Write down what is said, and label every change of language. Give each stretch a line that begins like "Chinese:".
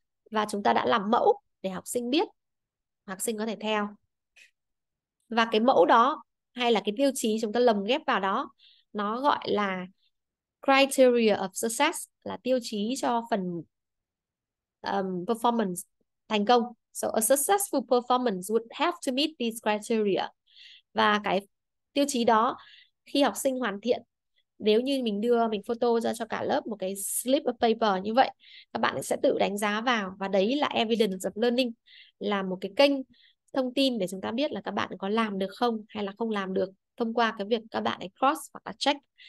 Vietnamese: Và chúng ta đã làm mẫu để học sinh biết, học sinh có thể theo. Và cái mẫu đó hay là cái tiêu chí chúng ta lồng ghép vào đó, nó gọi là criteria of success, là tiêu chí cho phần performance thành công.
English: So a successful performance would have to meet these criteria.
Vietnamese: Và cái tiêu chí đó khi học sinh hoàn thiện, nếu như mình đưa mình photo ra cho cả lớp một cái slip of paper như vậy, các bạn sẽ tự đánh giá vào, và đấy là evidence of learning, là một cái kênh thông tin để chúng ta biết là các bạn có làm được không hay là không làm được, thông qua cái việc các bạn ấy cross hoặc là check.